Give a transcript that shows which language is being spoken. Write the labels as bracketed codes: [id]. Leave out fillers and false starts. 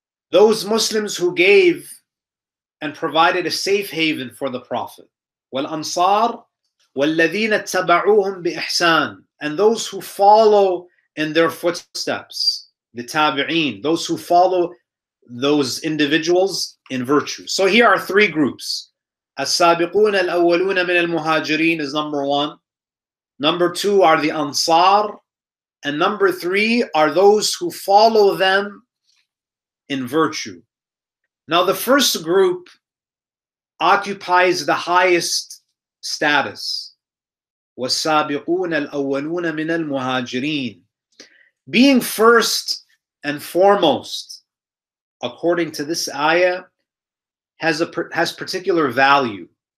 [en] Those Muslims who gave and provided a safe haven for the Prophet. [ar] وَالْأَنصَار وَالَّذِينَ اتَّبَعُوهُمْ بِإِحْسَانِ, [en] and those who follow in their footsteps, the tabi'een, those who follow those individuals in virtue. So here are three groups. [ar] السَّابِقُونَ الْأَوَّلُونَ مِنَ الْمُهَاجِرِينَ [en] is number one. Number two are the Ansar. And number three are those who follow them in virtue. Now the first group occupies the highest status. [ar] وَالسَّابِقُونَ الْأَوَّلُونَ مِنَ الْمُهَاجِرِينَ, [en] being first and foremost, according to this ayah, has particular value.